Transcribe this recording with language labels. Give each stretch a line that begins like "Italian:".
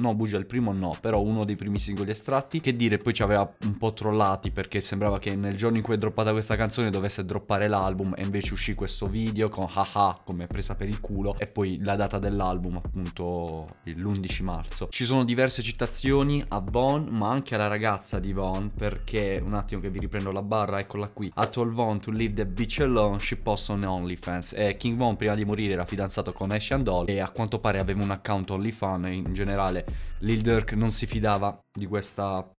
Italian: No, bugia, il primo no, però uno dei primi singoli estratti. Che dire, poi ci aveva un po' trollati perché sembrava che nel giorno in cui è droppata questa canzone dovesse droppare l'album, e invece uscì questo video con haha come presa per il culo, e poi la data dell'album, appunto l'11 marzo. Ci sono diverse citazioni a Von, ma anche alla ragazza di Von, perché un attimo che vi riprendo la barra, eccola qui.
English: "I told Von to leave the bitch alone, she posts on OnlyFans".
Italian: E King Von prima di morire era fidanzato con Asian Doll e a quanto pare aveva un account OnlyFans. In generale Lil Durk non si fidava di questa.